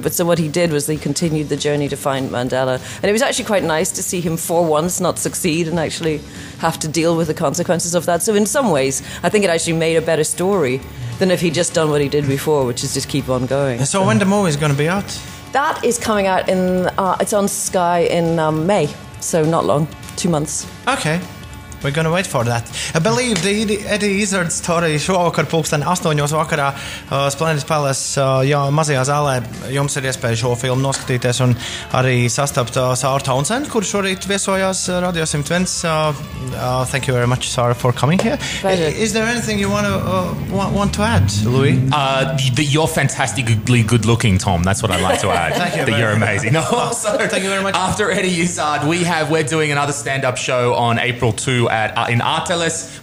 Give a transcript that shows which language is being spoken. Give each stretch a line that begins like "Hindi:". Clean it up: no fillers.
English: But so what he did was he continued the journey to find Mandela, and it was actually quite nice to see him for once not succeed and actually have to deal with the consequences of that. So in some ways, I think it actually made a better story than if he'd just done what he did before, which is just keep on going. So when the movie's going to be out? That is coming out in it's on Sky in May, so not long, 2 months. Okay. We're going to wait for that. I believe the Eddie Izzard story
Latvian: šovakar pulksten 8:00 vakarā Splendid Palace jo mazajā zālē jums ir iespēja šo filmu noskatīties un arī sastapt Sāru Townsend, kurš šorīt viesojās Radio 101.
English: Thank you very much, Sāra, for coming here. Is there anything you want to add, Louis? You're fantastically good looking, Tom. That's what I'd like to add. Thank you. That you're amazing. No, also, thank you very much. After Eddie Izzard, we're doing another stand-up show on April 2 in Arteles.